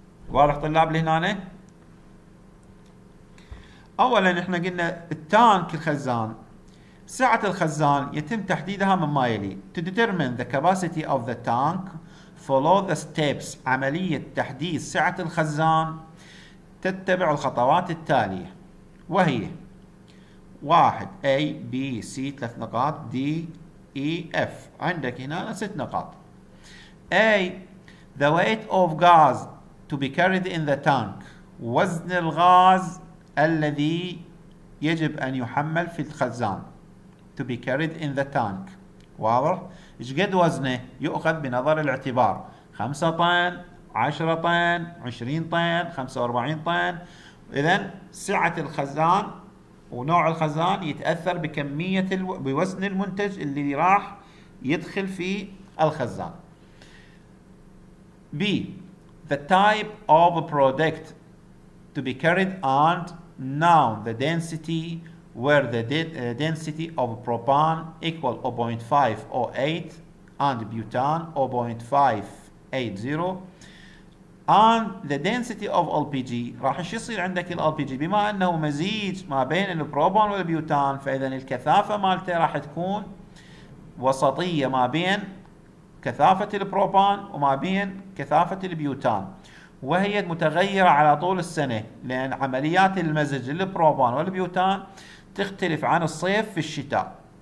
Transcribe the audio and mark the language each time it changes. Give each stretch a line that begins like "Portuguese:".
Arabic: واضح طلاب لهنا؟ أولا احنا قلنا التانك الخزان، سعة الخزان يتم تحديدها مما يلي:
English: to determine the capacity of the tank, follow the steps.
Arabic: عملية تحديد سعة الخزان تتبع الخطوات التالية، وهي 1 A B C 3 نقاط، D E F عندك هنا 6 نقاط.
English: A the weight of gas to be carried in the tank،
Arabic: وزن الغاز الذي يجب أن يحمل في الخزان.
English: To be carried in the tank،
Arabic: واضح؟ إيش قد وزنه يؤخذ بنظر الاعتبار؟ 5 طن، 10 طن، 20 طن، 45 طن. إذن سعة الخزان ونوع الخزان يتأثر بكمية بوزن المنتج اللي راح يدخل في الخزان.
English: B the type of product to be carried and noun the density where the density of propane equal 0.508 and butane 0.580 and the density of LPG.
Arabic: راح ايش يصير عندك ال LPG بما انه مزيج ما بين البروبان والبيوتان؟ فاذا الكثافة مالته راح تكون وسطية ما بين كثافة البروبان وما بين كثافة البيوتان، وهي متغيرة على طول السنة، لان عمليات المزج للبروبان والبيوتان تختلف عن الصيف في الشتاء،